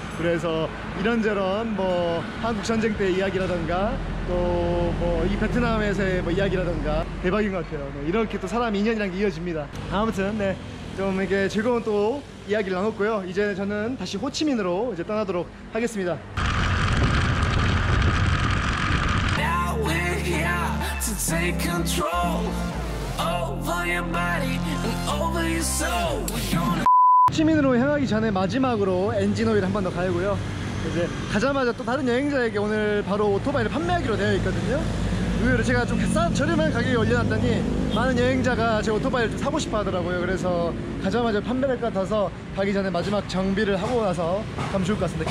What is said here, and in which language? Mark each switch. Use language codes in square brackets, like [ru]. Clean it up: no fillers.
[ko] 그래서 이런저런 뭐 한국 전쟁 때 이야기라던가 또 뭐 이 베트남에서의 뭐 이야기라던가 대박인 것 같아요. 네, 이렇게 또 사람 인연이란 게 이어집니다. 아무튼 네, 좀 이렇게 즐거운 또 이야기를 나눴고요. 이제 저는 다시 호치민으로 이제 떠나도록 하겠습니다. [en] Now we're here to take control. Over your body and over your soul. [ko] 호치민으로 향하기 전에 마지막으로 엔진오일 한 번 더 갈고요. 이제 가자마자 또 다른 여행자에게 오늘 바로 오토바이를 판매하기로 되어 있거든요. 의외로 제가 좀 저렴한 가격에 올려놨더니 많은 여행자가 제 오토바이를 좀 사고 싶어 하더라고요. 그래서 가자마자 판매할 것 같아서 가기 전에 마지막 정비를 하고 나서 가면 좋을 것 같습니다.